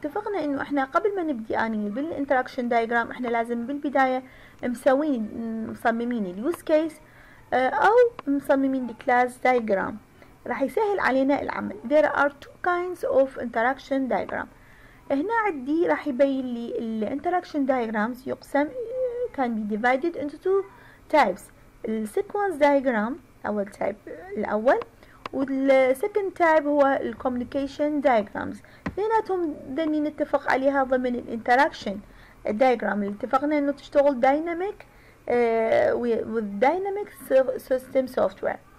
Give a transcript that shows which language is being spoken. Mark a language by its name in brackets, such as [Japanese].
[Arabic] اتفقنا انه احنا قبل ما نبدي اني بالانتراكشن دايجرام احنا لازم بالبدايه مسوين مصممين اليوز كيس او مصممين الكلاس دايجرام، راح يسهل علينا العمل. [English] There are two kinds of interaction diagram. [Arabic] هنا عندي راح يبين لي الانتراكشن دايجرامز يقسم [English] can be divided into two types. [Arabic] السيكونس دايجرام اول تايب الاول، والسكند تايب هو الكوميونيكيشن دايجرامز. ثنيناتهم دني نتفق عليها ضمن الانتراكشن دايجرام اللي اتفقنا انه تشتغل دايناميك والدايناميك سيستم سوفت وير.